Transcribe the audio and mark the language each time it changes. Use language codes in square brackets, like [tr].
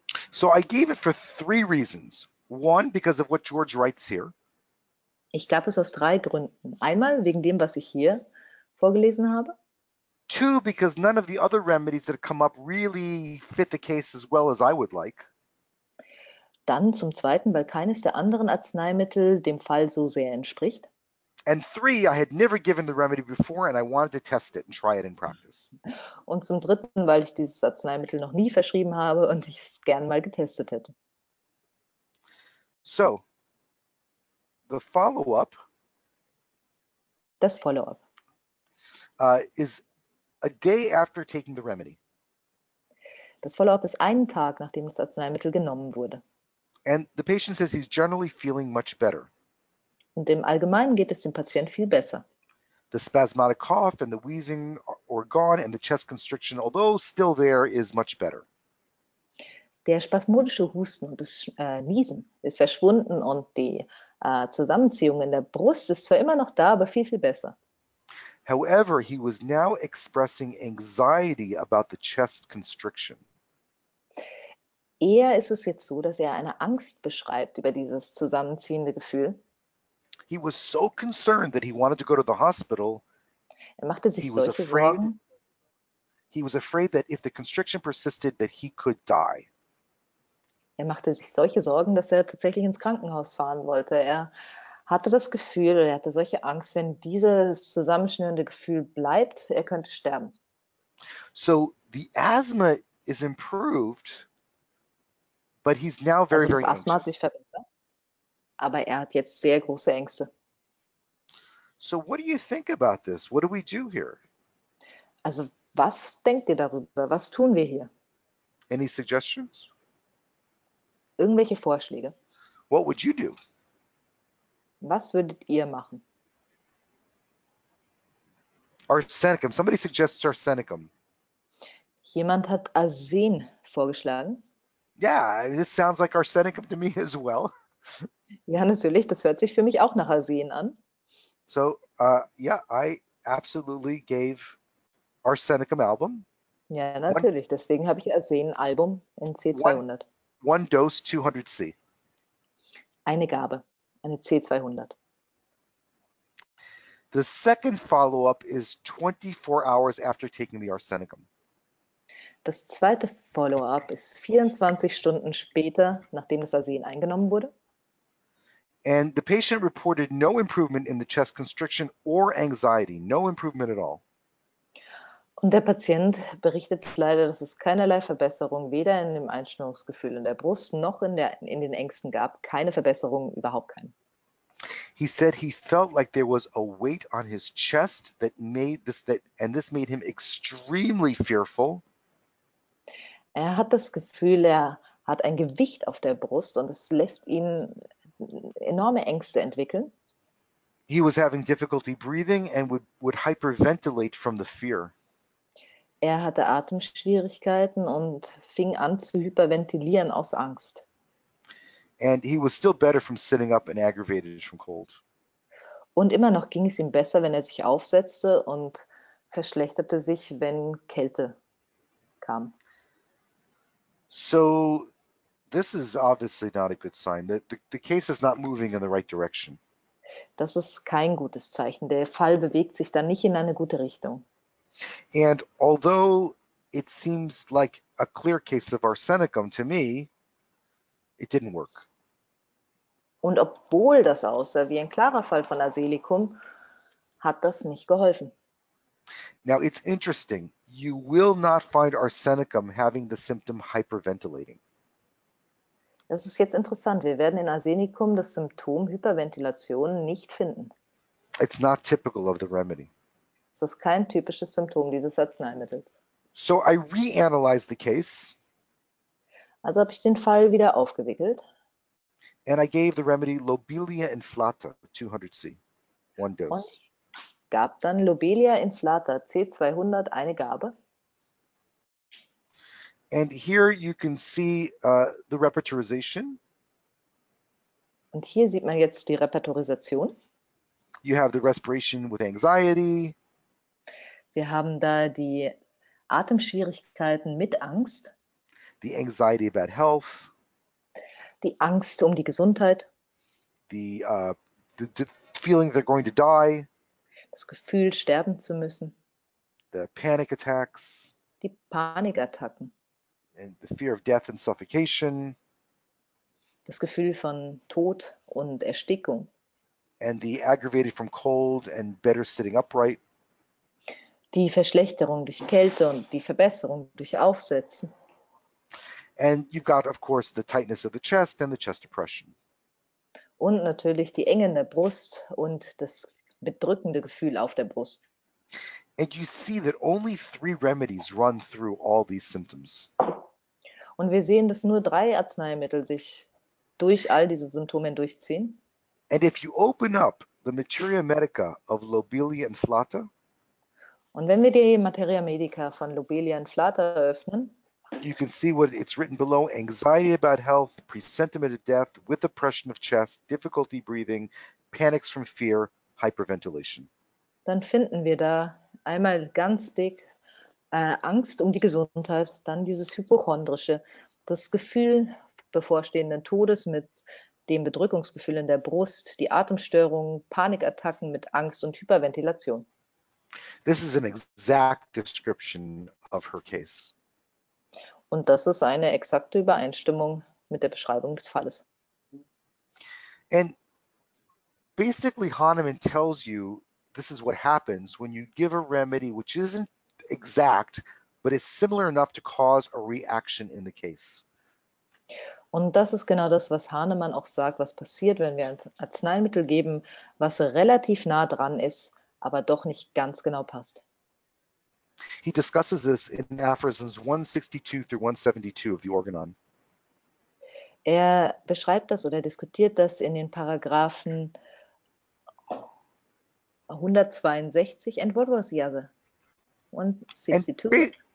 [en] So I gave it for three reasons. One, because of what George writes here. [de] Ich gab es aus drei Gründen. Einmal wegen dem, was ich hier vorgelesen habe. [en] Two, because none of the other remedies that come up really fit the case as well as I would like. [de] Dann zum Zweiten, weil keines der anderen Arzneimittel dem Fall so sehr entspricht. [en] And three, I had never given the remedy before and I wanted to test it and try it in practice. [de] Und zum Dritten, weil ich dieses Arzneimittel noch nie verschrieben habe und ich es gern mal getestet hätte. [en] So, the follow-up [de] Das Follow-up. [en] is a day after taking the remedy. [de] Das Follow-up ist einen Tag, nachdem das Arzneimittel genommen wurde. [en] And the patient says he's generally feeling much better. [de] Und im Allgemeinen geht es dem Patienten viel besser. [en] The spasmodic cough and the wheezing are gone, and the chest constriction, although still there, is much better. [de] Der spasmodische Husten und das Niesen ist verschwunden und die Zusammenziehung in der Brust ist zwar immer noch da, aber viel, viel besser. [en] However, he was now expressing anxiety about the chest constriction. [de] Eher ist es jetzt so, dass er eine Angst beschreibt über dieses zusammenziehende Gefühl. [en] He was so concerned that he wanted to go to the hospital. [de] Er machte sich [en] He was [de] solche [en] afraid [de] Sorgen. [en] that if the constriction persisted, that he could die. [de] Er machte sich solche Sorgen, dass er tatsächlich ins Krankenhaus fahren wollte. Er hatte das Gefühl, oder er hatte solche Angst, wenn dieses zusammenschnürende Gefühl bleibt, er könnte sterben. [en] So the asthma is improved, but he's now [de] Also [en] very, [de] das [en] very [de] Asthma hat [en] anxious. [de] sich verbessert, aber er hat jetzt sehr große Ängste. [en] So what do you think about this? What do we do here? [de] Also was denkt ihr darüber? Was tun wir hier? [en] Any suggestions? [de] Irgendwelche Vorschläge? [en] What would you do? [de] Was würdet ihr machen? [en] Arsenicum. Somebody suggests arsenicum. [de] Jemand hat Arsen vorgeschlagen. [en] Yeah, this sounds like arsenicum to me as well. [de] Ja, natürlich, das hört sich für mich auch nach Arsen an. [en] So, yeah, I absolutely gave arsenicum album [de] Ja, natürlich, deswegen habe ich Arsen Album in C200. [en] one dose 200 C. [de] Eine Gabe, eine C200. [en] The second follow-up is 24 hours after taking the arsenicum. [de] Das zweite Follow-up ist 24 Stunden später, nachdem das Arsen eingenommen wurde. [en] And the patient reported no improvement in the chest constriction or anxiety, no improvement at all. [de] Und der Patient berichtet leider, dass es keinerlei Verbesserung weder in dem Einschnürungsgefühl in der Brust noch in den Ängsten gab. Keine Verbesserung, überhaupt keine. [en] He said he felt like there was a weight on his chest that made this that and this made him extremely fearful. [de] Er hat das Gefühl, er hat ein Gewicht auf der Brust und es lässt ihn enorme Ängste entwickeln. [en] He was having difficulty breathing and would hyperventilate from the fear. [de] Er hatte Atemschwierigkeiten und fing an zu hyperventilieren aus Angst. [en] And he was still better from sitting up and aggravated from cold. [de] Und immer noch ging es ihm besser, wenn er sich aufsetzte und verschlechterte sich, wenn Kälte kam. [en] So, this is obviously not a good sign. The case is not moving in the right direction. [de] Das ist kein gutes Zeichen. Der Fall bewegt sich dann nicht in eine gute Richtung. [en] And although it seems like a clear case of arsenicum to me, it didn't work. [de] Und obwohl das aussah wie ein klarer Fall von Arsenikum, hat das nicht geholfen. [en] Now it's interesting. You will not find arsenicum having the symptom hyperventilating. [de] Das ist jetzt interessant. Wir werden in Arsenikum das Symptom Hyperventilation nicht finden. [en] It's not typical of the remedy. [de] Das ist kein typisches Symptom dieses Arzneimittels. [en] So I reanalyze the case. [de] Also habe ich den Fall wieder aufgewickelt. [en] And I gave the remedy Lobelia inflata 200 C, one [de] Und [en] dose. [de] ich gab dann Lobelia inflata C200 eine Gabe. [en] And here you can see the repertorization. [de] Und hier sieht man jetzt die Repertorisation. [en] You have the respiration with anxiety. [de] Wir haben da die Atemschwierigkeiten mit Angst, [en] The anxiety about health. [de] die Angst um die Gesundheit. [en] The feeling they're going to die, [de] Das Gefühl, sterben zu müssen. [en] the panic attacks, [de] Die Panikattacken. [en] and the fear of death and suffocation, [de] Das Gefühl von Tod und Erstickung. [en] and the aggravated from cold and better sitting upright. [de] Die Verschlechterung durch Kälte und die Verbesserung durch Aufsetzen. [en] And you've got, of course, the tightness of the chest and the chest depression. [de] Und natürlich die Enge in der Brust und das bedrückende Gefühl auf der Brust. [en] And you see that only three remedies run through all these symptoms. [de] Und wir sehen, dass nur drei Arzneimittel sich durch all diese Symptome hindurchziehen. [en] And if you open up the Materia Medica of Lobelia inflata, [de] Und wenn wir die Materia Medica von Lobelia inflata öffnen, [en] You can see what it's written below: anxiety about health, presentiment of death, with oppression of chest, difficulty breathing, panics from fear, hyperventilation. [de] Dann finden wir da einmal ganz dick Angst um die Gesundheit, dann dieses Hypochondrische, das Gefühl bevorstehenden Todes mit dem Bedrückungsgefühl in der Brust, die Atemstörungen, Panikattacken mit Angst und Hyperventilation. [en] This is an exact description of her case. [de] Und das ist eine exakte Übereinstimmung mit der Beschreibung des Falles. [en] And basically Hahnemann tells you, this is what happens when you give a remedy which isn't exact, but it's similar enough to cause a reaction in the case. [de] Und das ist genau das, was Hahnemann auch sagt, was passiert, wenn wir ein Arzneimittel geben, was relativ nah dran ist, aber doch nicht ganz genau passt. [en] He discusses this in Aphorisms 162 through 172 of the Organon. [de] Er beschreibt das oder diskutiert das in den Paragraphen 162 [en] and what was the other? [de] 162?